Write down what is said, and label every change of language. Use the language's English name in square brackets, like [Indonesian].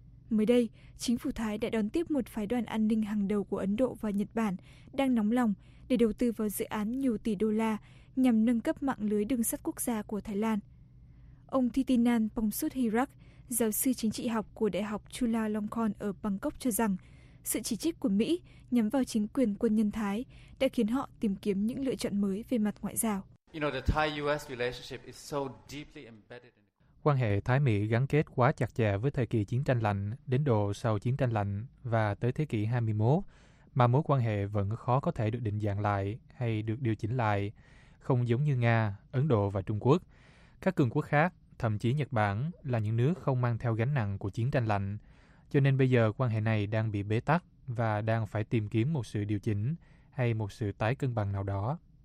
[Vietnamese] Mới đây, chính phủ Thái đã đón tiếp một phái đoàn an ninh hàng đầu của Ấn Độ và Nhật Bản đang nóng lòng để đầu tư vào dự án nhiều tỷ đô la nhằm nâng cấp mạng lưới đường sắt quốc gia của Thái Lan. Ông Thitinan Pongsudhirak, giáo sư chính trị học của Đại học Chulalongkorn ở Bangkok cho rằng sự chỉ trích của Mỹ nhắm vào chính quyền quân nhân Thái đã khiến họ tìm kiếm những lựa chọn mới về mặt ngoại giao. [English] You know, the Thai-US relationship is so deeply embedded. [Vietnamese] Quan hệ Thái-Mỹ gắn kết quá chặt chẽ với thời kỳ chiến tranh lạnh đến độ sau chiến tranh lạnh và tới thế kỷ 21 mà mối quan hệ vẫn khó có thể được định dạng lại hay được điều chỉnh lại, không giống như Nga, Ấn Độ và Trung Quốc. Các cường quốc khác, thậm chí Nhật Bản, là những nước không mang theo gánh nặng của chiến tranh lạnh, cho nên bây giờ quan hệ này đang bị bế tắc và đang phải tìm kiếm một sự điều chỉnh hay một sự tái cân bằng nào đó.